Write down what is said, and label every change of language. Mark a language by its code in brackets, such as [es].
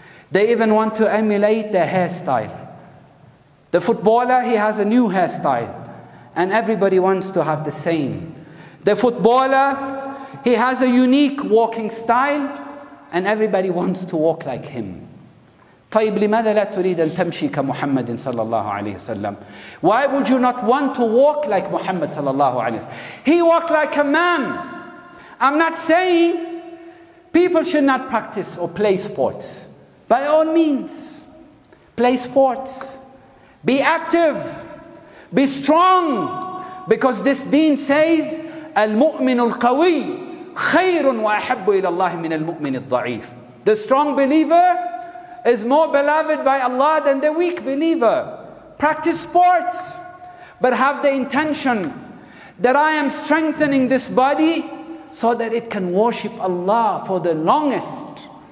[en] They even want to emulate their hairstyle. The footballer, he has a new hairstyle, and everybody wants to have the same. The footballer, he has a unique walking style, and everybody wants to walk like him. [ar] طيب لماذا لا تريد أن تمشي كمحمد صلى الله عليه وسلم? [en] Why would you not want to walk like Muhammad [ar] صلى الله عليه وسلم? [en] He walked like a man. I'm not saying people should not practice or play sports. By all means, play sports. Be active. Be strong. Because this deen says, [ar] المؤمن القوي خير وأحب إلى الله من المؤمن الضعيف. [en] The strong believer is more beloved by Allah than the weak believer. Practice sports, but have the intention that I am strengthening this body so that it can worship Allah for the longest.